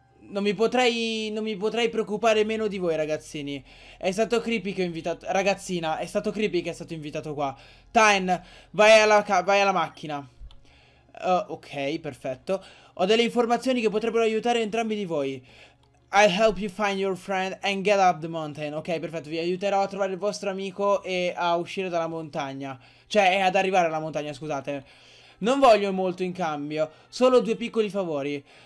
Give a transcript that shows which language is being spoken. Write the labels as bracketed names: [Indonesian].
[Italian] Non mi potrei preoccupare meno di voi, ragazzini. È stato Creepy che ho invitato... Ragazzina, è stato Creepy che è stato invitato qua. Tain, vai alla macchina. Ok, perfetto. Ho delle informazioni che potrebbero aiutare entrambi di voi. [English] I'll help you find your friend and get up the mountain. [Italian] Ok, perfetto, vi aiuterò a trovare il vostro amico e a uscire dalla montagna. Cioè, ad arrivare alla montagna, scusate. Non voglio molto in cambio, solo due piccoli favori.